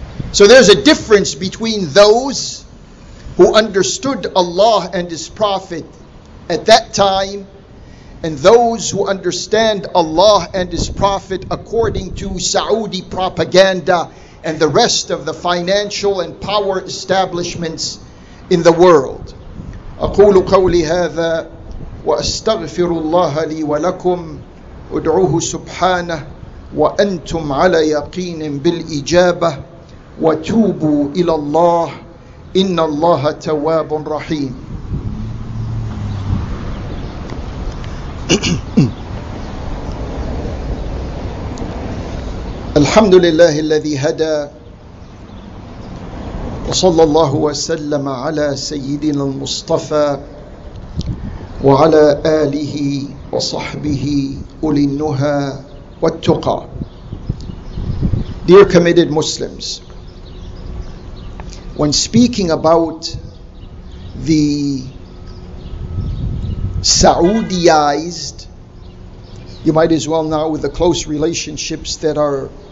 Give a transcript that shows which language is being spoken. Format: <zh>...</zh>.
<en>So there's a difference between those who understood Allah and His Prophet at that time and those who understand Allah and His Prophet according to Saudi propaganda and the rest of the financial and power establishments in the world.</en> <ar>أقول قولي هذا وأستغفر الله لي ولكم أدعوه سبحانه وأنتم على يقين بالإجابة وتوبوا إلى الله إن الله تواب رحيم. الحمد لله الذي هدى وصلى الله وسلم على سيدنا المصطفى وعلى آله وصحبه أولي النهى والتقى.</ar> <en>Dear committed Muslims, when speaking about the Saudiized, you might as well now, with the close relationships that are</en>